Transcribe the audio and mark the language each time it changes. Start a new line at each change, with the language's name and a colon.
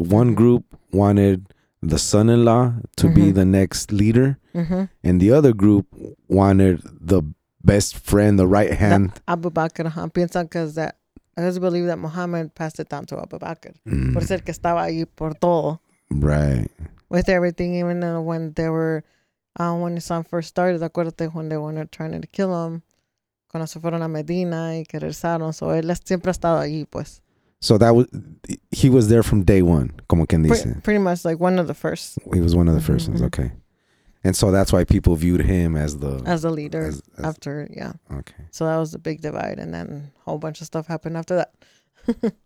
English: One group wanted the son-in-law to be the next leader, and the other group wanted the best friend, the right hand. Abu Bakr,
Spanish: piensan que
English: I just believe that Muhammad passed it down to Abu Bakr.
Spanish: Por ser que estaba ahí por todo.
English: Right. With everything, even when they were, when Islam first started, acuérdate when they were trying to kill him.
Spanish: Cuando se fueron a Medina y que regresaron. So, él siempre ha estado ahí, pues.
English: So, he was there from day one,
Spanish: como quien dice.
English: Pretty much, like, one of the first. He was one of the first ones, okay. And so, that's why people viewed him as the... As the leader after, yeah. Okay. So, that was a big divide. And then a whole bunch of stuff happened after that.